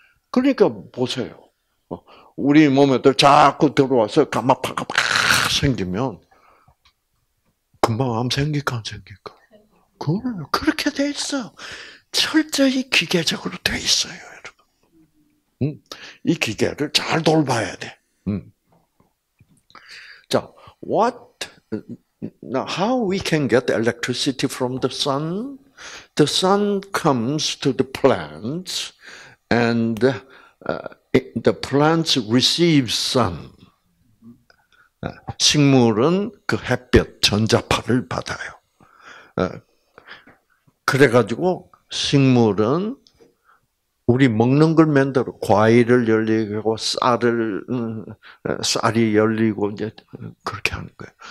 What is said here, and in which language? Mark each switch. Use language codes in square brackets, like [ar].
[ko] 그러니까 보세요. 우리 몸에 자꾸 들어와서 감마파가 막 생기면 금방 암 생길까 안 생길까? 그렇게 돼 있어. 철저히 기계적으로 돼 있어요, 여러분. 이 기계를 잘 돌봐야 돼. [en] 자, how we can get the electricity from the sun? The sun comes to the plants and the plants receive sun. [ko] 식물은 그 햇볕 전자파를 받아요. 그래가지고 식물은 우리 먹는 걸 만들어 과일을 열리고 쌀이 열리고 이제 그렇게 하는 거예요.